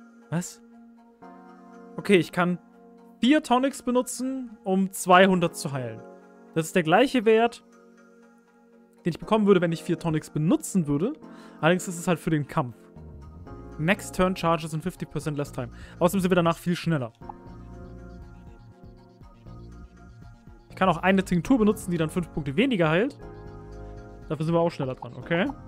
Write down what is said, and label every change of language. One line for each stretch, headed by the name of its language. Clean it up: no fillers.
German: Was? Okay, ich kann 4 Tonics benutzen, um 200 zu heilen. Das ist der gleiche Wert, den ich bekommen würde, wenn ich 4 Tonics benutzen würde. Allerdings ist es halt für den Kampf.
English: Next turn charges in 50% less time.
German: Außerdem sind wir danach viel schneller. Ich kann auch eine Tinktur benutzen, die dann 5 Punkte weniger heilt. Dafür sind wir auch schneller dran, okay?